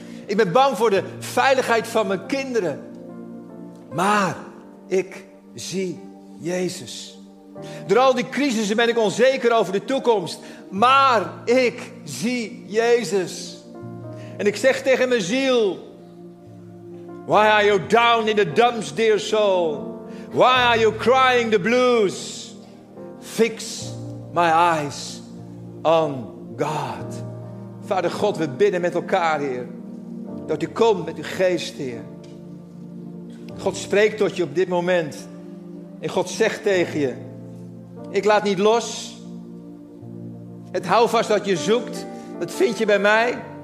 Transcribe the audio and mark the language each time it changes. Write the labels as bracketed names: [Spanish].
[Dutch] Ik ben bang voor de veiligheid van mijn kinderen. Maar ik zie Jezus. Door al die crisissen ben ik onzeker over de toekomst. Maar ik zie Jezus. En ik zeg tegen mijn ziel. [English] Why are you down in the dumps, dear soul? Why are you crying the blues? Fix my eyes on God. [Dutch] Vader God, we bidden met elkaar, Heer. Dat u komt met uw geest, Heer. God spreekt tot je op dit moment. En God zegt tegen je. Ik laat niet los. Het houvast dat je zoekt, dat vind je bij mij.